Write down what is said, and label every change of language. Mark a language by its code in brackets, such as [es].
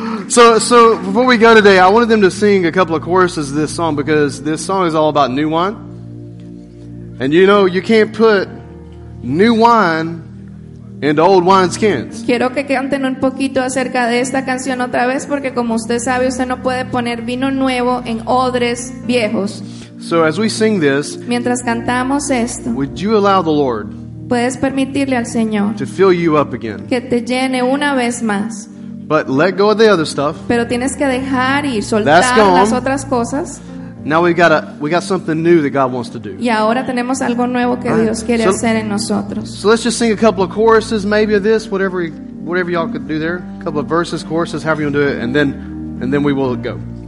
[en] So before we go today, I wanted them to sing a couple of choruses of this song because this song is all about new wine. And you know, you can't put new wine into old wineskins. [es] Quiero que canten un poquito acerca de esta canción otra vez porque como usted sabe, usted no puede poner vino nuevo en odres viejos. [en] So as we sing this, [es] mientras cantamos esto, [en] would you allow the Lord [es] puedes permitirle al Señor [en] to fill you up again? [es] Que te llene una vez más. [en] But let go of the other stuff. [es] Pero tienes que dejar ir, soltar las otras cosas. [en] Now we got something new that God wants to do. [es] Y ahora tenemos algo nuevo que Dios quiere hacer en nosotros. [en] So let's just sing a couple of choruses, maybe of this, whatever y'all could do there. A couple of verses, choruses, however you want to do it, and then we will go.